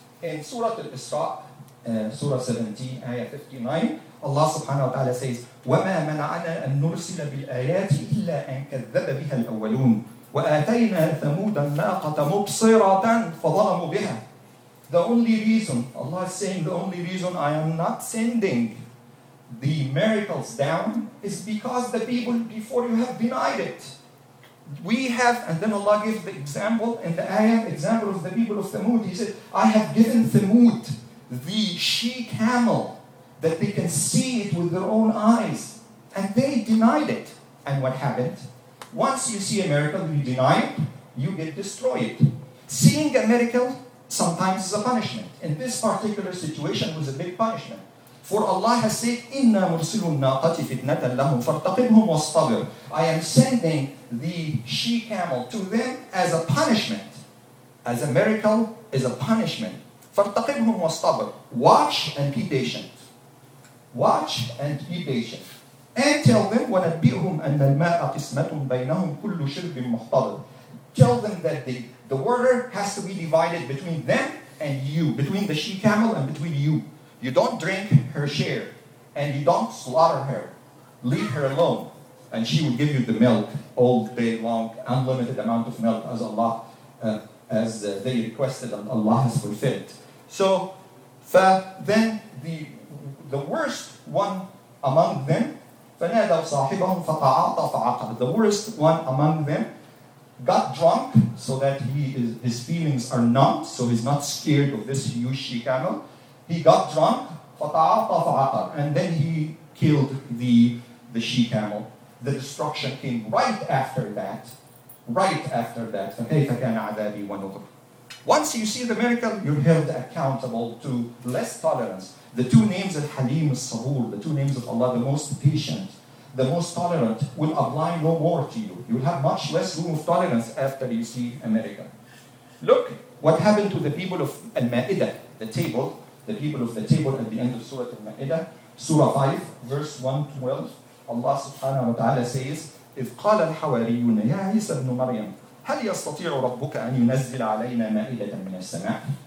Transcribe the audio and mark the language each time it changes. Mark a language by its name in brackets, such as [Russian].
[English] In Surah Al-Isra, Surah 17, Ayah 59, Allah subhanahu wa ta'ala says, [Arabic] وَمَا مَنَعَنَا أَن نُرْسِلَ بِالْآيَاتِ إِلَّا أَن كَذَّبَ بِهَا الْأَوَّلُونَ وَآتَيْنَا ثَمُودَ النَّاقَةَ مُبْصِرَةً فَظَلَمُوا بِهَا. [English] The only reason, Allah is saying, the only reason I am not sending the miracles down is because the people before you have denied it. We have, and then Allah gives the example in the ayah, example of the people of Thamud. He said, I have given Thamud the she camel that they can see it with their own eyes. And they denied it. And what happened? Once you see a miracle, you deny it, you get destroyed. Seeing a miracle sometimes is a punishment. In this particular situation, it was a big punishment. For Allah has said, [Arabic] إِنَّا مُرْسِلُ النَّاقَةِ فِتْنَةً لَهُمْ فَارْتَقِبْهُمْ وَاصْطَبِرْ. [English] I am sending the she-camel to them as a punishment. As a miracle is a punishment. [Arabic] فَارْتَقِبْهُمْ وَاصْطَبِرْ. [English] Watch and be patient. Watch and be patient. And tell them, [Arabic] وَنَبِّئْهُمْ أَنَّ الْمَاءَ قِسْمَةٌ بَيْنَهُمْ كُلُّ شِرْبٍ مُحْتَضَرٍ. [English] Tell them that the water has to be divided between them and you, between the she-camel and between you. You don't drink her share, and you don't slaughter her. Leave her alone, and she will give you the milk all day long, unlimited amount of milk, as Allah, they requested, and Allah has fulfilled. So then the worst one among them, [Arabic] فَنَادَوْ صَاحِبَهُمْ فَطَعَاطَ فَعَقَبْ. [English] The worst one among them got drunk so that his feelings are numb, so he's not scared of this huge she-camel. He got drunk, [Arabic] فَطَعَاطَ فَعَقَبْ, [English] and then he killed the she-camel. The destruction came right after that. right after that, [Arabic] فَكَيْفَ كَانَ عَذَابِي وَنُذُرِ. [English] Once you see the miracle, you're held accountable to less tolerance. The two names of Halim al-Sabur, the two names of Allah, the most patient, the most tolerant, will apply no more to you. You'll have much less room of tolerance after you see a miracle. Look what happened to the people of Al-Ma'idah, the table, the people of the table at the end of Surah Al-Ma'idah, Surah 5, verse 112. Allah subhanahu wa ta'ala says, [Arabic] إِذْ قَالَ الْحَوَارِيُّونَ يَا عِيسَى ابْنُ مَرْيَمَ هَلْ يَسْتَطِيعُ رَبُّكَ أَنْ يُنَزِّلَ عَلَيْنَا مَائِدَةً مِنَ السَّمَاءِ.